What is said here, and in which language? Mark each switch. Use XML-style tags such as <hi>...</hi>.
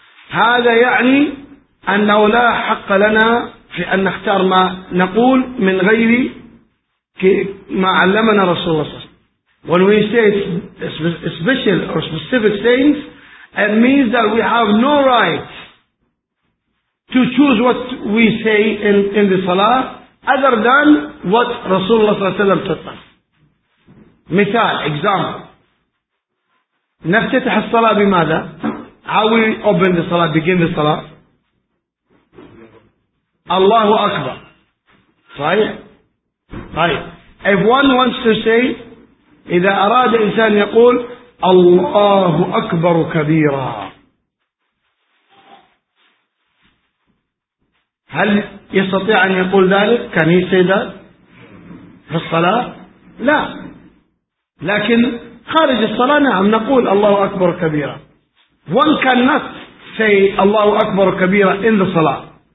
<ar>هذا يعني أنه لا حق لنا في أن نختار ما نقول من غير ما علمنا رسول الله صلى الله عليه وسلم.</ar> <en>When we say special or specific things, it means that we have no right to choose what we say in the salah other than what</en> <ar>رسول الله صلى الله عليه وسلم تطلع. مثال,</ar> <en>example.</en> <ar>نفتتح الصلاة بماذا؟</ar> <en>How we open the salah, begin the salah? Allahu Akbar. Right? Right. If one wants to say,</en> <ar>إذا أراد إنسان يقول الله أكبر كبيرا, هل يستطيع أن يقول ذلك؟</ar> <en>Can he say that?</en> <ar>في الصلاة؟ لا. لكن خارج الصلاة نعم نقول الله أكبر كبيرا.</ar> <en>One cannot say</en> <ar>الله أكبر كبيرة</ar> <en>in the salah.</en>